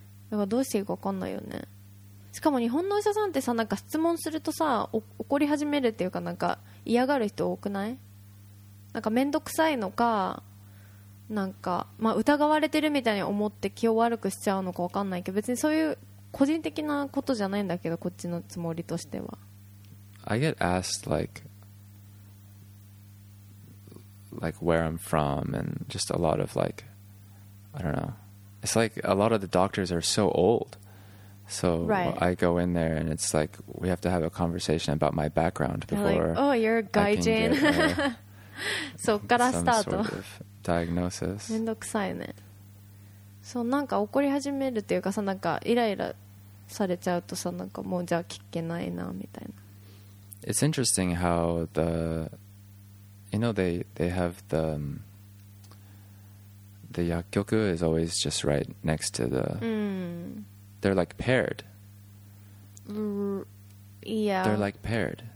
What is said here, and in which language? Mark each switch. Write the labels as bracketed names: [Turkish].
[Japanese] だからどうしていいか分かんないよね。しかも日本のお医者さんってさ、なんか質問するとさ、怒り始めるっていうか、なんか嫌がる人多くない？なんかめんどくさいのか、なんか、まあ、疑われてるみたいに思って気を悪くしちゃうのか分かんないけど、別にそういう個人的なことじゃないんだけど、こっちのつもりとしては、 [English] I get asked like where I'm from and just a lot of like, I don't know, it's like a lot of the doctors are so old, so I go in there and it's like we have to have a conversation about my background before like, oh, you're a gaijin. [Japanese] そっからスタート [English] Diagnosis. [Japanese] めんどくさいね。そう、なんか怒り始めるっていうかさ、なんかイライラされちゃうとさ、なんかもうじゃあ聞けないなみたいな。 [English] It's interesting how the, you know, they have the 薬局 is always just right next to the, they're like paired. Yeah. They're like paired.